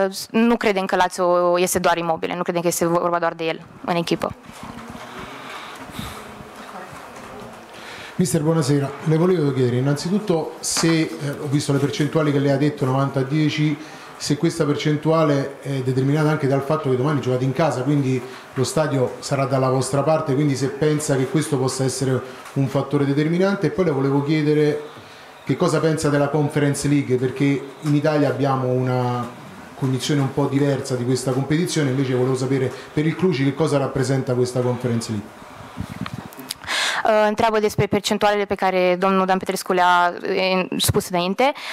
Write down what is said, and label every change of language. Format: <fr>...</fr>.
<ro>Nu credem că Lazio este doar Immobile, nu credem că este vorba doar de el în echipă.</ro> <it>Mister, buonasera. Le volevo chiedere innanzitutto se, ho visto le percentuali che lei ha detto, 90-10, se questa percentuale è determinata anche dal fatto che domani giocate in casa, quindi lo stadio sarà dalla vostra parte, quindi se pensa che questo possa essere un fattore determinante. E poi le volevo chiedere che cosa pensa della Conference League, perché in Italia abbiamo una condizione un po' diversa di questa competizione, invece volevo sapere per il Cluj che cosa rappresenta questa Conference League.</it> <ro>Întreabă despre percentualele pe care domnul Dan Petrescu le-a spus înainte.</ro>